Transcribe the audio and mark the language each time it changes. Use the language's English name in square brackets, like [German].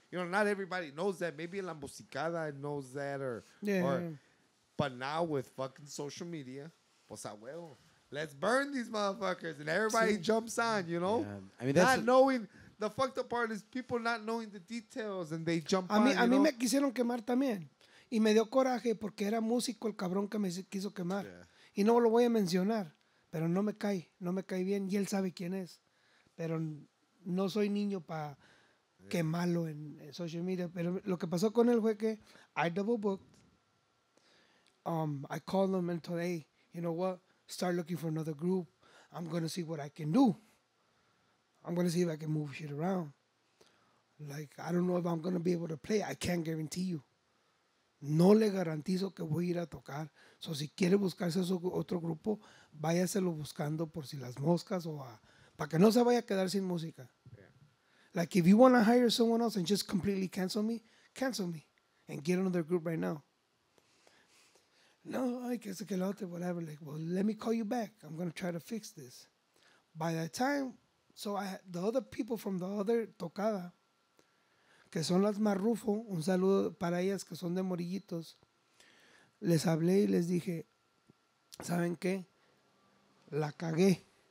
[English] You know, not everybody knows that. Maybe La Musicada knows that. But now with fucking social media, [Spanish] pues a huevo, [English] let's burn these motherfuckers. And everybody jumps on, you know? Yeah. I mean, that's not knowing. The fucked up part is people not knowing the details and they jump on. [Spanish] A mí me quisieron quemar también. Y me dio coraje porque era músico el cabrón que me quiso quemar. [English] Yeah. [Spanish] Y no lo voy a mencionar. Pero no me cae. No me cae bien. Y él sabe quién es. Pero no soy niño para quemarlo en social media. Pero lo que pasó con él fue que [English] I double booked. I called him and told, hey, you know what? Start looking for another group. I'm going to see what I can do. I'm going to see if I can move shit around. Like, I don't know if I'm going to be able to play. I can't guarantee you. [Spanish] No le garantizo que voy a ir a tocar. So si quiere buscarse otro grupo, váyaselo buscando por si las moscas o a... Para que no se vaya a quedar sin música. [English] Like, if you want to hire someone else and just completely cancel me, and get another group right now. No, I guess I get out there, whatever. Like, well, let me call you back. I'm going to try to fix this. By that time, the other people from the other tocada, [Spanish] que son las Marrufo, un saludo para ellas, que son de Morillitos, les hablé y les dije, ¿saben qué? La cagué.